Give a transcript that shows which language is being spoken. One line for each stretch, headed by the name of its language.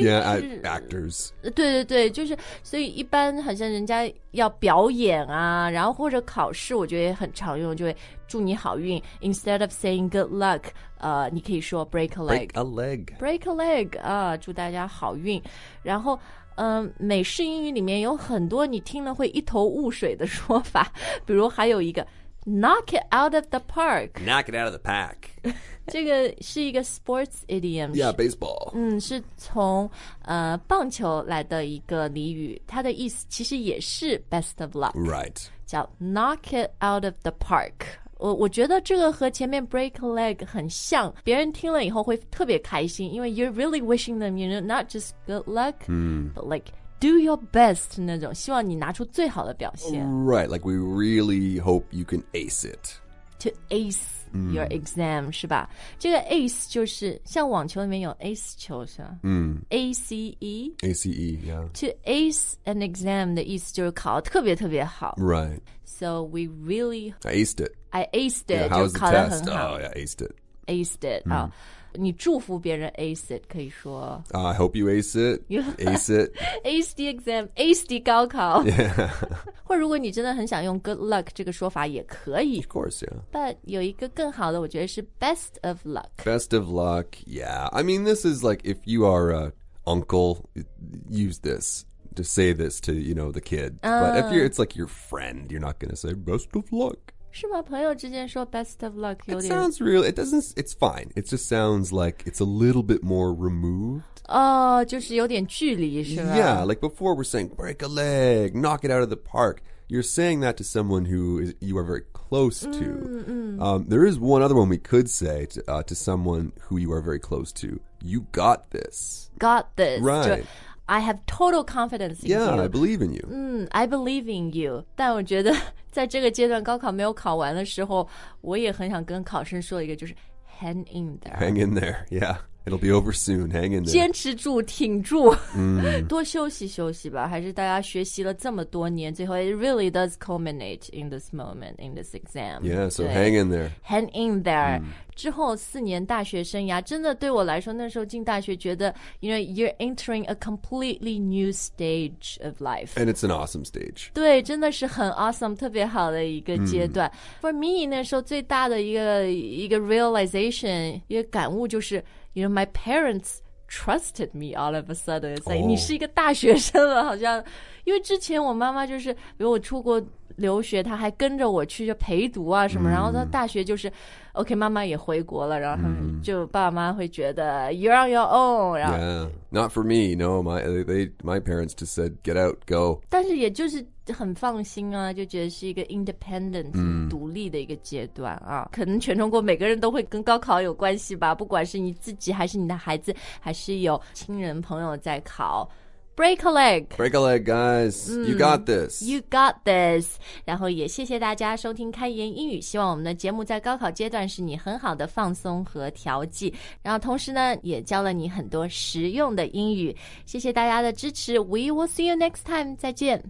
English: yeah、actors
Chinese: 对对对就是所以一般好像人家要表演啊然后或者考试我觉得也很常用就会祝你好运
English: instead of saying good luck、
Chinese: 你可以说
English: break a leg break a leg break a leg、
Chinese: 祝大家好运然后美式英语里面有很多你听了会一头雾水的说法，比如还有一个
English: knock it out of the park. Knock it out of the park.
Chinese: 这个是一个
English: sports idiom. Yeah, baseball.
Chinese: 是从棒球来的一个俚语，它的意思其实也是
English: best of luck. Right.
Chinese: 叫
English: knock it out of the park.
Chinese: 我觉得这个和前面
English: break a leg
Chinese: 很像，别人听了以后会特别开心，因为
English: you're really wishing them, you know, not just good luck,、but like do your best
Chinese: 那种，希望你拿出最好的表现。
English: Right, like we really hope you can ace it. To ace、your exam,
Chinese: 是吧？这个 ace 就是像网球里面有 ace 球是吧？
English: ACE? ACE, yeah. To ace an exam
Chinese: 的意思就是考得特别特别好。
English: Right. So we really... I aced it. Yeah, how was the test? Oh, yeah, aced it. Aced it.、
Chinese: 你祝福别人
English: ace it,
Chinese: 可以说。
English: I hope you ace it. Ace it. Ace the exam. Ace the 高考。 Yeah.
Chinese: 或如果你真的很想用 good luck 这个说法也可以。
English: Of course, yeah.
Chinese: But 有一个更好的我觉得是
English: best of luck. Best of luck, yeah. I mean, this is like if you are an uncle, use this. To say this to, you know, the kid. But if it's like your friend, you're not going to say best of luck.
Chinese: 是吗？朋友之间说
English: best of luck
Chinese: 有点
English: It sounds real. It doesn't, it's fine. It just sounds like it's a little bit more removed.
Chinese: 就是有点距离是吧
English: Yeah, like before we're saying break a leg, knock it out of the park. You're saying that to someone who is, you are very close to. There is one other one we could say to someone who you are very close to. You got this. Got this. Right. I have total confidence in yeah, you. Yeah, I believe in you. I believe in you.
Chinese: 但我觉得在这个阶段高考没有考完的时候我也很想跟考生说一个就是
English: hang in there. Hang in there, yeah. It'll be over soon. Hang in there.
Chinese: 坚持住挺住、多休息休息吧还是大家学习了这么多年最后
English: it really does culminate in this moment, in this exam. Yeah, so hang in there. Hang in there.、
Chinese: 之后四年大学生涯真的对我来说那时候进大学觉得
English: you know, you're entering a completely new stage of life. And it's an awesome stage.
Chinese: 对真的是很
English: awesome,
Chinese: 特别好的一个阶段。
English: For me,
Chinese: 那时候最大的一个
English: realization,
Chinese: 一个感悟就是
English: you know, my parents trusted me all of a sudden.
Chinese: It's like, 你是一个大学生了好像。因为之前我妈妈就是比如我出国留学她还跟着我去就陪读啊什么、然后她大学就是 OK 妈妈也回国了然后他们就爸爸妈妈会觉得
English: You're on your own Yeah Not for me No my parents just said Get out Go
Chinese: 但是也就是很放心啊就觉得是一个 independent、独立的一个阶段啊可能全中国每个人都会跟高考有关系吧不管是你自己还是你的孩子还是有亲人朋友在考
English: Break a leg. Break a leg, guys.、 you got this. You got this.
Chinese: 然后也谢谢大家收听开言英语希望我们的节目在高考阶段是你很好的放松和调剂。然后同时呢也教了你很多实用的英语。谢谢大家的支持
English: We will see you next time.
Chinese: 再见。